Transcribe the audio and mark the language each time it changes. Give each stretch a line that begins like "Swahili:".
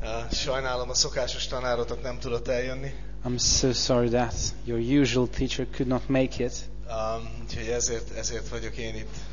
Hungarian: Sajnálom, a szokásos tanárotok nem tudott eljönni.
English: I'm so sorry that your usual teacher could not make it.
Hungarian: Úgyhogy ezért vagyok én itt.